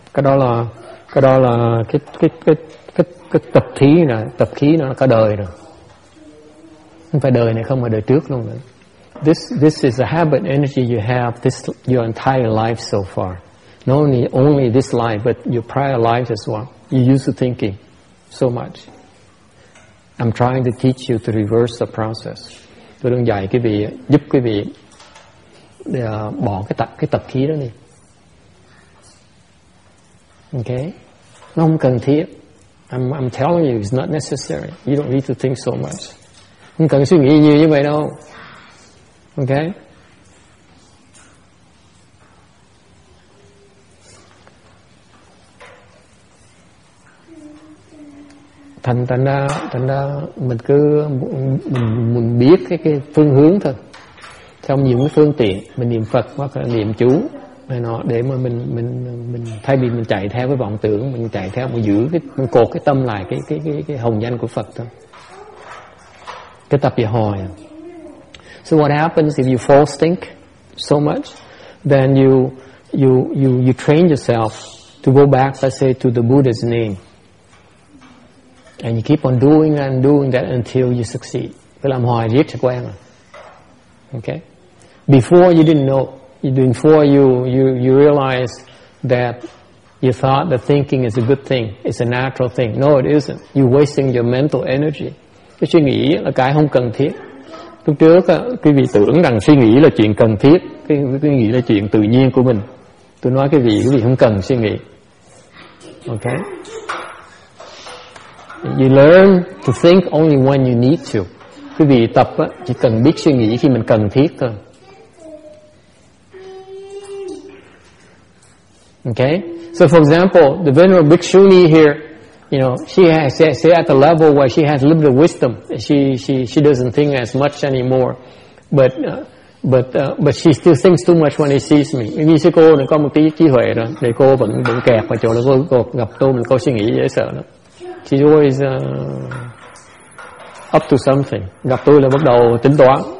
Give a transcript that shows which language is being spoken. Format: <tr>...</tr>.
<vi>Cái đó là cái tập khí này, tập khí nó cả đời rồi. Không phải đời này không mà đời trước luôn.</vi> <en>This is a habit energy you have this your entire life so far. Not only this life, but your prior life as well. You're used to thinking so much. I'm trying to teach you to reverse the process.</en> <vi>Tôi đang dạy quý vị, giúp quý vị để bỏ cái tập khí đó đi.</vi> <en>Okay?</en> <vi>Nó không cần thiết.</vi> <en>I'm telling you, it's not necessary. You don't need to think so much.</en> <vi>Không cần suy nghĩ nhiều như vậy đâu. Okay? Thành ra mình cứ mình biết cái phương hướng thôi, trong những cái phương tiện mình niệm Phật hoặc là niệm chú hay nó, để mà mình thay vì mình chạy theo cái vọng tưởng, mình chạy theo, mình giữ cái, mình cột cái tâm lại cái hồng danh của Phật thôi, cái tập về hồi.</vi> <en>So what happens if you false think so much, then you train yourself to go back, let's say, to the Buddha's name. And you keep on doing and doing that until you succeed.</en> <vi>Phải làm hoài riết cho quen rồi.</vi> <en>Okay? Before you didn't know, before you realize that you thought that thinking is a good thing, it's a natural thing. No, it isn't. You're wasting your mental energy.</en> <vi>Cái suy nghĩ là cái không cần thiết. Lúc trước quý vị tưởng rằng suy nghĩ là chuyện cần thiết, quý vị nghĩ là chuyện tự nhiên của mình. Tôi nói quý vị không cần suy nghĩ.</vi> <en>Okay? You learn to think only when you need to.</en> <vi>Quý vị tập á, chỉ cần biết suy nghĩ khi mình cần thiết thôi.</vi> <en>Okay? So for example, the Venerable Bhikshuni here, you know, she has say at the level where she has limited wisdom. She doesn't think as much anymore. But she still thinks too much when she sees me.</en> <vi>Như sư cô này có một tí trí huệ đó, để cô vẫn kẹt vào chỗ là cô gặp tôi mình có suy nghĩ dễ sợ lắm.</vi> <en>She's always up to something.</en> <vi>Gặp tôi là bắt đầu tính toán.</vi>